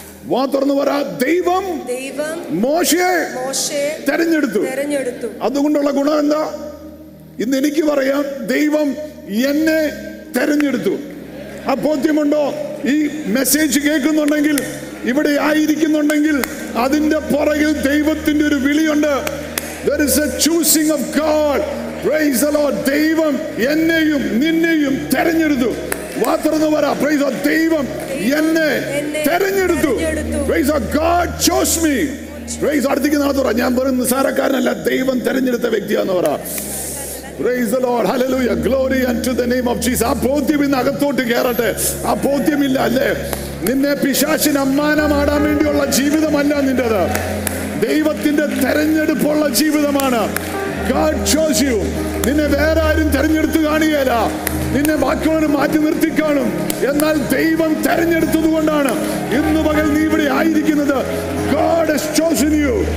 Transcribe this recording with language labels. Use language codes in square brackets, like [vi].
[ml] വാതുറന്ന് പറ, ദൈവം മോശയെ തെരഞ്ഞെടുത്തു. അതുകൊണ്ടുള്ള ഗുണം എന്താ? ഇന്ന് എനിക്ക് പറയാം, ദൈവം എന്നെ തെരഞ്ഞെടുത്തു. ആ ബോധ്യമുണ്ടോ? ഈ മെസ്സേജ് കേൾക്കുന്നുണ്ടെങ്കിൽ, ഇവിടെ ആയിരിക്കുന്നുണ്ടെങ്കിൽ, അതിന്റെ പുറകിൽ ദൈവത്തിന്റെ ഒരു വിളിയുണ്ട്. [en] There is a choosing of God. Praise the Lord. [ml] ദൈവം എന്നെയും നിന്നെയും തിരഞ്ഞെടുത്തു. വാതുറന്ന് പറ, [en] Praise the lord. [ml] ദൈവം എന്നെ തിരഞ്ഞെടുത്തു. Praise the Lord. [en] God chose me. [ml] Price അടുത്തേക്ക് നടത്തുക. ഞാൻ പറയുന്ന നിസ്സാരക്കാരനല്ല, ദൈവം തിരഞ്ഞെടുത്ത വ്യക്തിയാന്ന് പറ. [en] Praise the lord. Hallelujah. Glory unto the name of Jesus. [ml] ആ ബോധ്യം ഇന്ന് അകത്തോട്ട് കയറട്ടെ. ആ ബോധ്യം ഇല്ല അല്ലേ? നിന്നെ പിശാചിന് അമ്മാനമാടാൻ വേണ്ടിയുള്ള ജീവിതമല്ല നിന്റേത്, ദൈവത്തിന്റെ തെരഞ്ഞെടുപ്പുള്ള ജീവിതമാണ്. [en] God chose you. [ml] നിന്നെ വേറെ ആരും തെരഞ്ഞെടുത്ത് കാണുകയല്ല, നിന്നെ ബാക്കിയുള്ളവർ മാറ്റി നിർത്തി കാണും, എന്നാൽ ദൈവം തെരഞ്ഞെടുത്തത് കൊണ്ടാണ് ഇന്ന് പകൽ നീ ഇവിടെ ആയിരിക്കുന്നത്. [en] God has chosen you.